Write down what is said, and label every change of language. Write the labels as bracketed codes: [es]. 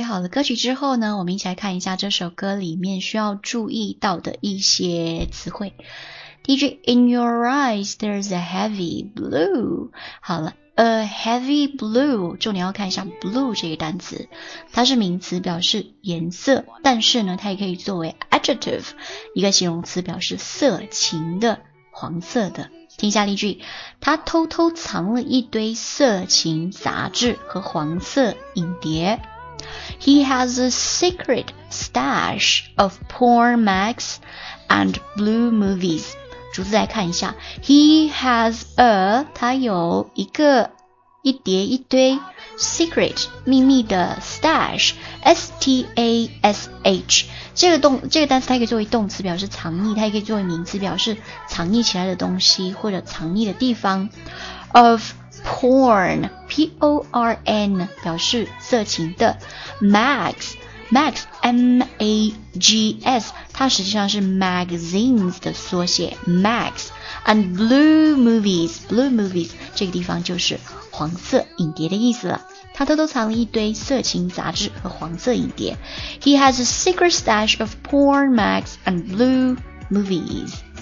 [zh] 歌曲之后呢，我们一起来看一下这首歌里面需要注意到的一些词汇。第一句 [en] In your eyes there's a heavy blue， [zh] 好了， [en] a heavy blue， [zh] 重点要看一下 blue 这个单词，它是名词表示颜色，但是呢它也可以作为 adjective， 一个形容词表示色情的，黄色的。听一下例句，他偷偷藏了一堆色情杂志和黄色影碟。 [en] He has a secret stash of porn mags and blue movies. [zh] 逐字来看一下， [en] He has a [zh] 他有一个一叠一堆 secret 秘密的 stash S-T-A-S-H 这个单词它可以作为动词表示藏匿，它也可以作为名词表示藏匿起来的东西或者藏匿的地方 ofPorn, P-O-R-N, 表示色情的 Mags, Mag, M-A-G-S, 它实际上是 magazines 的缩写 Max, [en] and blue movies [zh] 这个地方就是黄色影碟的意思了。他偷偷藏了一堆色情杂志和黄色影碟。 [en] He has a secret stash of porn mags and blue movies.